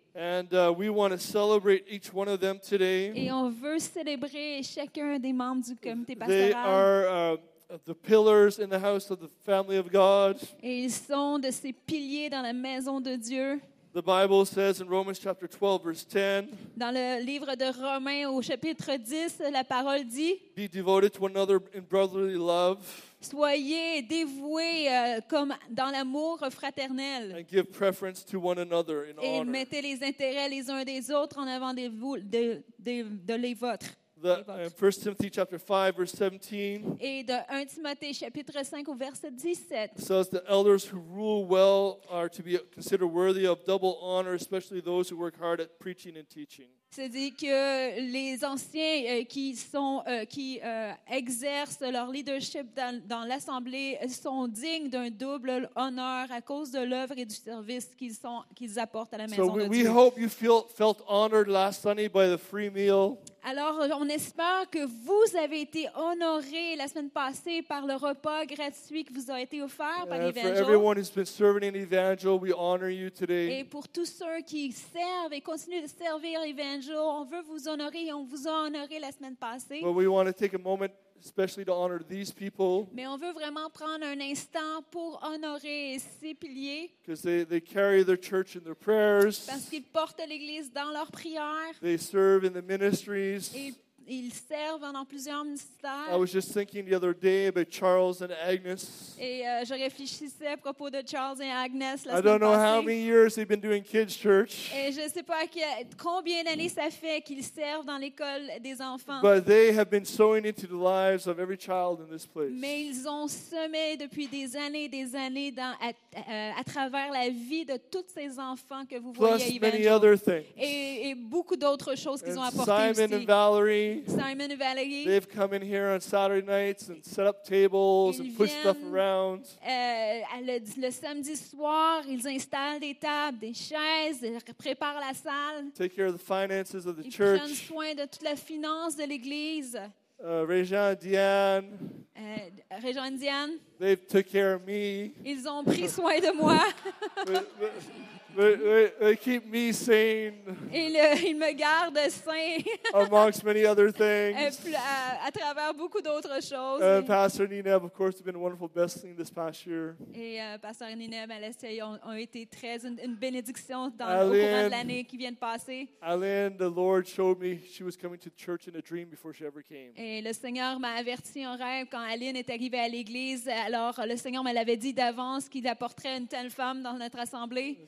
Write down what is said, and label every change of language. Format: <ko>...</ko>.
<en>And we want to celebrate each one of them today.</en> <fr>Et on veut célébrer chacun des membres du comité pastoral.</fr> <en>They are the pillars in the house of the family of God.</en> <fr>Et ils sont de ces piliers dans la maison de Dieu.</fr> <en>The Bible says in Romans chapter 12, verse 10.</en> <fr>Dans le livre de Romains au chapitre 10, la parole dit.</fr> <en>Be devoted to one another in brotherly love.</en> <fr>Soyez dévoués comme dans l'amour fraternel.</fr> <en>And give preference to one another in</en> <fr>Et</fr> <en>honor.</en> <fr>Et mettez les intérêts les uns des autres en avant de vous, de les vôtres.</fr> <en>The, 1 Timothy chapter 5, verse 17.</en> <fr>Et de 1 Timothée chapitre 5 au verset 17.</fr> <en>It says the elders who rule well are to be considered worthy of double honor, especially those who work hard at preaching and teaching.</en> <fr>C'est-à-dire que les anciens qui exercent leur leadership dans l'assemblée sont dignes d'un double honneur à cause de l'œuvre et du service qu'ils apportent à la maison</fr> <en>so</en> <fr>de Dieu.</fr> <en>So we hope you felt honored last Sunday by the free meal.</en> <fr>Alors, on espère que vous avez été honorés la semaine passée par le repas gratuit qui vous a été offert par l'Évangile.</fr> <en>For everyone who's been serving in Evangel, we honor you today.</en> <fr>Et pour tous ceux qui servent et continuent de servir Evangel, on veut vous honorer et on vous a honoré la semaine passée.</fr> <en>But we want to take a moment especially to honor these people.</en> <fr>Mais on veut vraiment prendre un instant pour honorer ces piliers.</fr> <en>Because they carry their church in their prayers.</en> <fr>Parce qu'ils portent l'église dans leurs prières.</fr> <en>They serve in the ministries.</en> <fr>Ils servent dans plusieurs ministères.</fr> <en>I was just thinking the other day about Charles and Agnes.</en> <fr>Et je réfléchissais à propos de Charles et Agnes la semaine passée.</fr> <en>I don't know</en> <fr>passée.</fr> <en>How many years they've been doing kids church.</en> <fr>Et je sais pas combien d'années ça fait qu'ils servent dans l'école des enfants.</fr> <en>But they have been sowing into the lives of every child in this place.</en> <fr>Mais ils ont semé depuis des années dans à travers la vie de tous ces enfants que vous</fr> <en>Plus</en> <fr>voyez ici.</fr> <en>Plus many other things.</en> <fr>Et beaucoup d'autres choses qu'ils</fr> <en>and</en> <fr>ont apporté</fr> <en>Simon</en> <fr>aussi.</fr> <en>And Valerie. Simon and Valerie. They've come in here on Saturday nights and set up tables and push stuff around.</en> <fr>Le samedi soir, ils installent des tables, des chaises, ils préparent la salle.</fr> <en>Take care of the finances of the</en> <fr>ils</fr> <en>church.</en> <fr>Prennent soin de toute la finance de l'église.</fr> <en>Réjean, Diane.</en> <fr>Réjean, Diane.</fr> <en>They've took care of me.</en> <fr>Ils ont pris soin de moi.</fr> <en>They keep me sane.</en> <fr>Il me garde sain.</fr> <en>Amongst many other things.</en> <fr>À travers beaucoup d'autres choses.</fr> <en>Pastor Nineb, of course, has been a wonderful blessing this past year.</en> <fr>Et Pasteur Nineb, Alessia, ont été très une bénédiction au courant de l'année qui vient de passer.</fr> <en>Aline, the Lord showed me she was coming to church in a dream before she ever came.</en> <fr>Et le Seigneur m'a averti en rêve quand Aline est arrivée à l'église. Alors le Seigneur me l'avait dit d'avance qu'il apporterait une telle femme dans notre assemblée.</fr>